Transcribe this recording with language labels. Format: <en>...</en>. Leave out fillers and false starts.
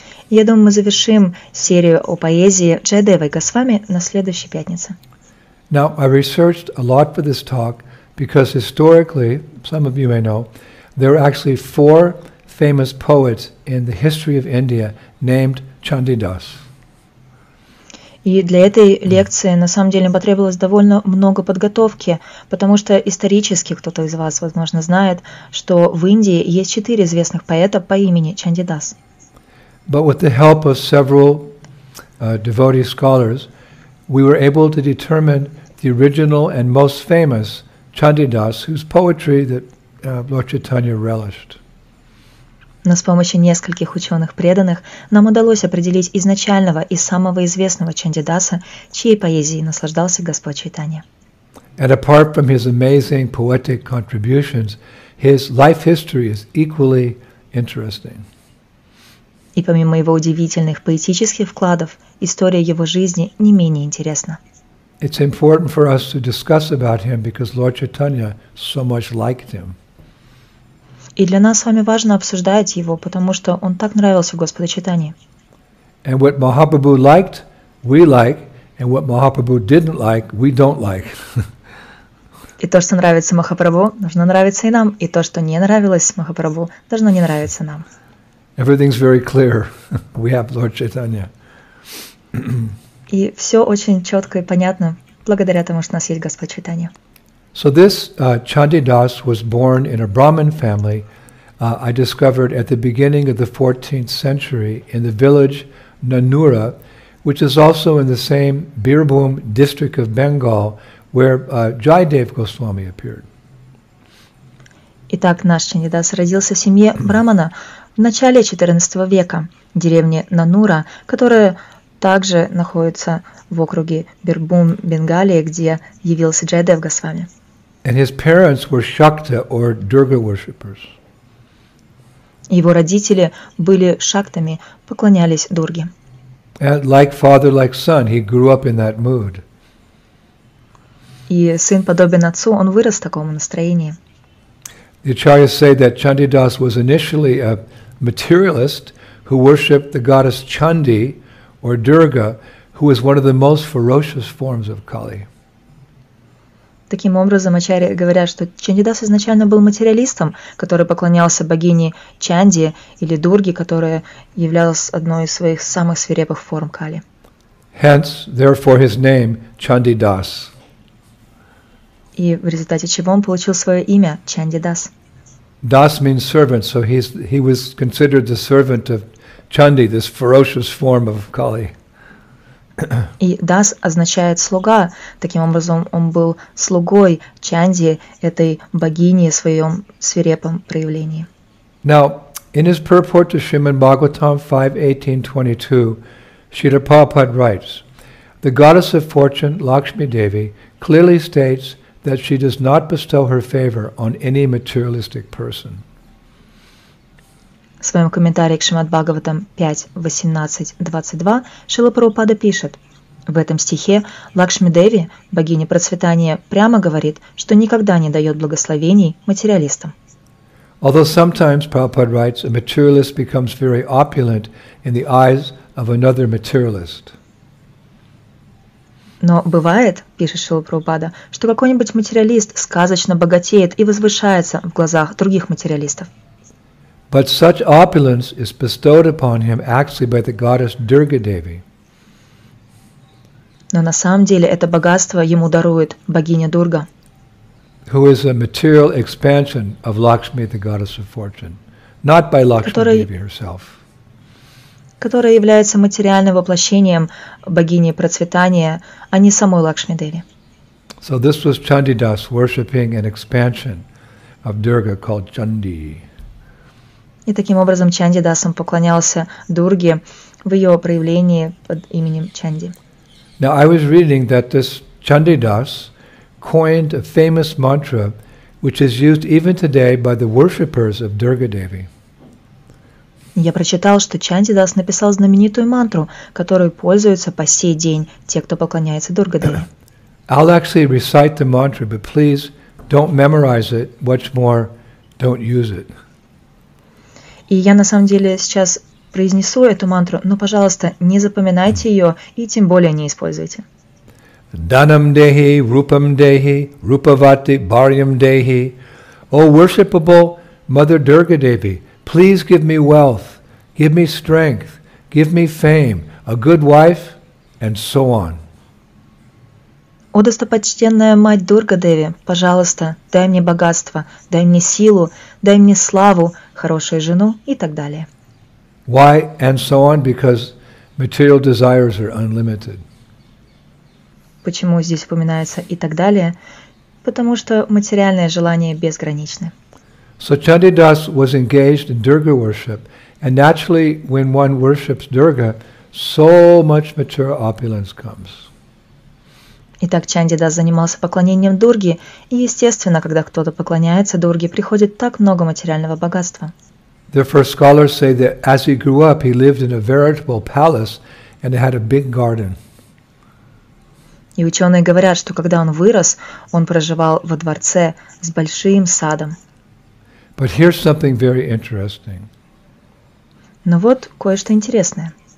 <ru>Я думаю, мы завершим серию о поэзии Джайдевой Госвами на следующей пятнице.</ru> <en>Now, I researched a lot for this talk because historically, some of you may know, there are actually four famous poets in the history of India named Chandidas.</en> <ru>И для этой лекции, на самом деле, потребовалось довольно много подготовки, потому что исторически кто-то из вас, возможно, знает, что в Индии есть четыре известных поэта по имени Чандидас.</ru> <en>But with the help of several devotee scholars, we were able to determine the original and most famous Chandidas, whose poetry that Lord Chaitanya relished.</en> <ru>Но с помощью нескольких ученых-преданных нам удалось определить изначального и самого известного Чандидаса, чьей поэзией наслаждался Господь Чайтанья.</ru> <en>And apart from his amazing poetic contributions, his life history is equally interesting.</en> <ru>И помимо его удивительных поэтических вкладов, история его жизни не менее интересна.</ru> <en>It's important for us to discuss about him because Lord Chaitanya so much liked him.</en> <ru>И для нас с вами важно обсуждать его, потому что он так нравился Господу Чайтанье.</ru> <en>And what Mahaprabhu liked, we like, and what Mahaprabhu didn't like, we don't like.</en> <ru>И то, что нравится Махапрабху, должно нравиться и нам, и то, что не нравилось Махапрабху, должно не нравиться нам.</ru> <en>Everything's very clear. We have Lord Chaitanya.</en> <ru>И все очень четко и понятно, благодаря тому, что у нас есть Господь Чайтанья.</ru> <en>So this Chandidas was born in a Brahmin family, I discovered at the beginning of the 14th century in the village Nanura, which is also in the same Birbhum district of Bengal, where Jayadev Goswami appeared.</en> <ru>Итак, наш Чандидас родился в семье Брамана в начале 14 века, в деревне Нанура, которая также находится в округе Бирбум, Бенгалии, где явился Джайдев Госвами.</ru> <en>And his parents were Shakta or Durga worshippers.</en> <ru>Его родители были шактами, поклонялись Дурге.</ru> <en>And like father, like son, he grew up in that mood.</en> <ru>И сын подобен отцу, он вырос в таком настроении.</ru> <en>The acharyas say that Chandidas was initially a materialist who worshipped the goddess Chandi or Durga, who was one of the most ferocious forms of Kali.</en> <ru>Таким образом, ачарьи говорят, что Чандидас изначально был материалистом, который поклонялся богине Чанди или Дурге, которая являлась одной из своих самых свирепых форм Кали.</ru> <en>Hence, therefore, his name Chandidas.</en> <ru>И в результате чего он получил свое имя Чандидас.</ru> <en>Das means servant, so he was considered the servant of Chandi, this ferocious form of Kali.</en> <ru>И «дас» означает «слуга», таким образом он был слугой Чанди, этой богини в своем свирепом проявлении.</ru> <en>Now, in his purport to Shrimad Bhagavatam 5.18.22, Srila Prabhupada writes, the goddess of fortune, Lakshmi Devi, clearly states that she does not bestow her favor on any materialistic person.</en> <ru>В своем комментарии к Шримад Бхагаватам 5.18.22 Шрила Прабхупада пишет, В этом стихе Лакшми Деви, богиня процветания, прямо говорит, что никогда не дает благословений материалистам.</ru> <en>Although sometimes, Prabhupada writes, a materialist becomes very opulent in the eyes of another materialist.</en> <ru>Но бывает, пишет Шрила Прабхупада, что какой-нибудь материалист сказочно богатеет и возвышается в глазах других материалистов.</ru> <en>But such opulence is bestowed upon him actually by the goddess Durga Devi.</en> <ru>Но на самом деле это богатство ему дарует богиня Дурга.</ru> <en>Who is a material expansion of Lakshmi, the goddess of fortune, not by Lakshmi Devi herself.</en> <ru>Которая является материальным воплощением богини процветания, а не самой Лакшми Деви.</ru> <en>So this was Chandidas worshipping an expansion of Durga called Chandi.</en> <ru>И таким образом Чандидасом поклонялся Дурге в ее проявлении под именем Чанди.</ru> <en>Now I was reading that this Chandidas coined a famous mantra which is used even today by the worshippers of Durga Devi.</en> <ru>Я прочитал, что Чандидас написал знаменитую мантру, которую пользуются по сей день те, кто поклоняется Дурга Деви.</ru> <en>I'll actually recite the mantra, but please don't memorize it, much more don't use it.</en> <ru>И я на самом деле сейчас произнесу эту мантру, но, пожалуйста, не запоминайте ее и тем более не используйте.</ru> <sa>Данам дехи, рупам дехи, рупавати, барьям дехи.</sa> <en>О, worshipable Mother Durga Devi, please give me wealth, give me strength, give me fame, a good wife, and so on.</en> <ru>О, достопочтенная мать Дурга Деви, пожалуйста, дай мне богатство, дай мне силу, дай мне славу, хорошую жену и так далее.</ru> <en>Why and so on? Because material desires are unlimited.</en> <ru>Почему здесь упоминается и так далее? Потому что материальное желание безграничны.</ru> <en>So Chandidas was engaged in Durga worship, and naturally, when one worships Durga, so much material opulence comes.</en> <ru>Итак, Чандидас занимался поклонением Дурге, и естественно, когда кто-то поклоняется Дурге, приходит так много материального богатства.</ru> <en>Therefore, scholars say that as he grew up, he lived in a veritable palace and had a big garden.</en> <ru>И ученые говорят, что когда он вырос, он проживал во дворце с большим садом.</ru> <en>But here's something very interesting.</en> <ru>Но вот кое-что интересное.</ru>